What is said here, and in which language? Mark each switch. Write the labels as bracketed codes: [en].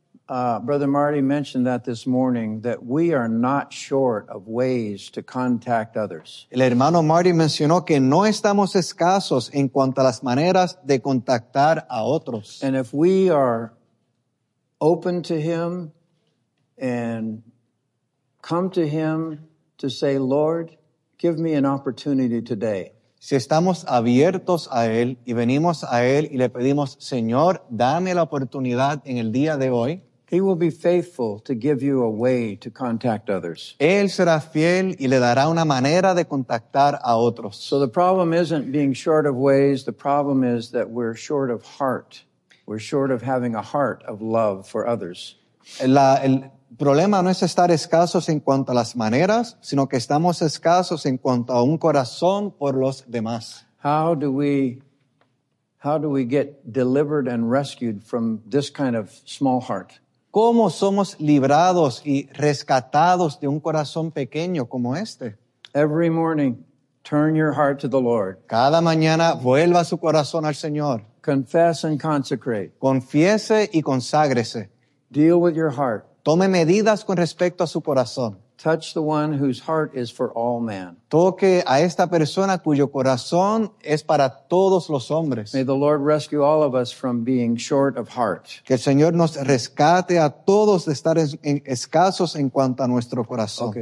[en] Brother Marty mentioned that this morning, that we are not short of ways to contact others. [es] El hermano Marty mencionó que no estamos escasos en cuanto a las maneras de contactar a otros. [en] And if we are open to him and come to him to say, Lord, give me an opportunity today. [es] Si estamos abiertos a Él y venimos a Él y le pedimos, Señor, dame la oportunidad en el día de hoy, [en] He will be faithful to give you a way to contact others. [es] Él será fiel y le dará una manera de contactar a otros. [en] So the problem isn't being short of ways, the problem is that we're short of heart. We're short of having a heart of love for others. [es] El problema no es estar escasos en cuanto a las maneras, sino que estamos escasos en cuanto a un corazón por los demás. [en] How do we get delivered and rescued from this kind of small heart? [es] ¿Cómo somos librados y rescatados de un corazón pequeño como este? [en] Every morning, turn your heart to the Lord. [es] Cada mañana, vuelva su corazón al Señor. [en] Confess and consecrate. [es] Confiese y conságrese. [en] Deal with your heart. [es] Tome medidas con respecto a su corazón. [en] Touch the one whose heart is for all men. [es] Toque a esta persona cuyo corazón es para todos los hombres. [en] May the Lord rescue all of us from being short of heart. [es] Que el Señor nos rescate a todos de estar en escasos en cuanto a nuestro corazón.